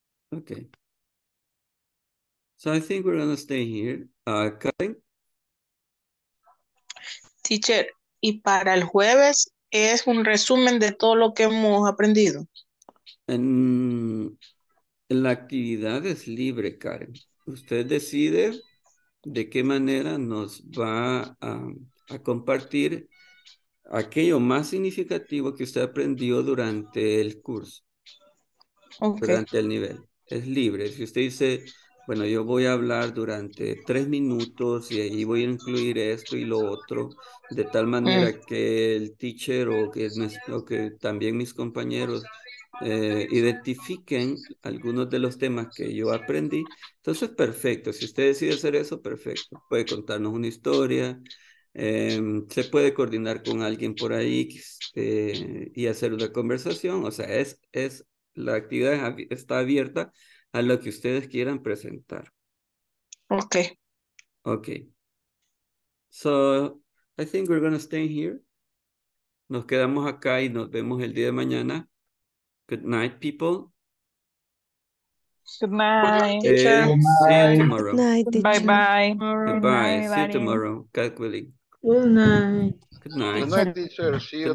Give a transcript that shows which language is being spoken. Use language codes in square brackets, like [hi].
[en] Okay, so I think we're gonna stay here. Karen? [es] Teacher, ¿y para el jueves es un resumen de todo lo que hemos aprendido? En la actividad es libre, Karen. Usted decide de qué manera nos va a compartir aquello más significativo que usted aprendió durante el curso, [en] okay. [es] Durante el nivel. Es libre. Si usted dice, bueno, yo voy a hablar durante 3 minutos y ahí voy a incluir esto y lo otro, de tal manera que el teacher o que también mis compañeros identifiquen algunos de los temas que yo aprendí, entonces perfecto. Si usted decide hacer eso, perfecto. Puede contarnos una historia, se puede coordinar con alguien por ahí y hacer una conversación. O sea, es la actividad está abierta a lo que ustedes quieran presentar. [en] Okay. Okay. So, I think we're going to stay here. [es] Nos quedamos acá y nos vemos el día de mañana. [en] Good night, people. Good night. See you tomorrow. Good night, bye-bye. Bye-bye. Bye-bye. Bye-bye. See you tomorrow. God willing. Good night. Good night. Good night, teacher. See you